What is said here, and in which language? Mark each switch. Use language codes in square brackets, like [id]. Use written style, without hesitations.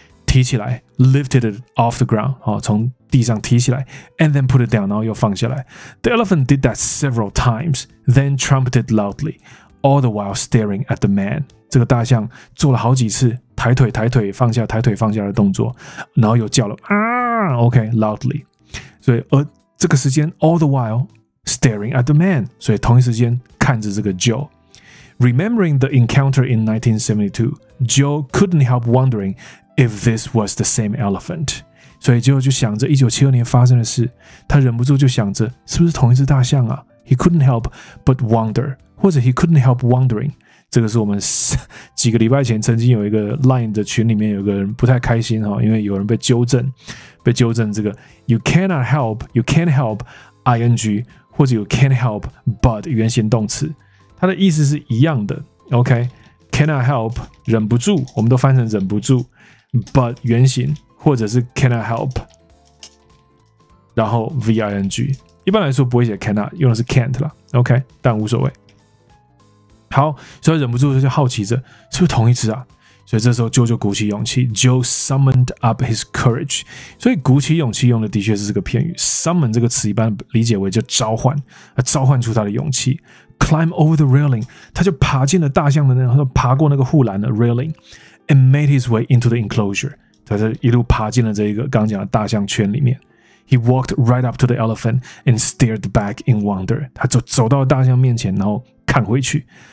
[zh] 提起来 [en] lifted it off the ground、 [zh] 哦、从地上提起来 [en] and then put it down [zh] 然后又放下来 [en] the elephant did that several times then trumpeted loudly all the while staring at the man [zh] 这个大象做了好几次抬腿抬腿放下抬腿放下的动作然后又叫了、啊、OK loudly 所以而这个时间 [en] all the whilestaring at the man, [zh] 所以同一时间看着这个 Joe. [en] Remembering the encounter in 1972, Joe couldn't help wondering if this was the same elephant. [zh] 所以 Joe 就想着1972年发生的事,他忍不住就想着是不是同一只大象啊? [en] He couldn't help but wonder, [zh] 或者 [en] he couldn't help wondering. [zh] 这个是我们几个礼拜前曾经有一个 Line 的群里面有个人不太开心,因为有人被纠正,这个 [en] You cannot help, you can't help, [zh] ing,或者有 can't help but 原型动词，它的意思是一样的。 OK, cannot help 忍不住，我们都翻成忍不住 ，but 原型或者是 cannot help， 然后 ving。一般来说不会写 cannot， 用的是 can't 啦。OK， 但无所谓。好，所以忍不住就好奇着是不是同一只啊？所以这时候 Joe 就鼓起勇气 ， [en] Joe summoned up his courage。 [zh] 所以鼓起勇气用的的确是这个片语 ，summon 这个词一般理解为就召唤，召唤出他的勇气。 [en] Climb over the railing， [zh] 他就爬进了大象的那，爬过那个护栏的 [en] railing，and made his way into the enclosure。 [zh] 他就一路爬进了这一个刚刚讲的大象圈里面。 [en] He walked right up to the elephant and stared back in wonder。 [zh] 他就走到大象面前，然后看回去。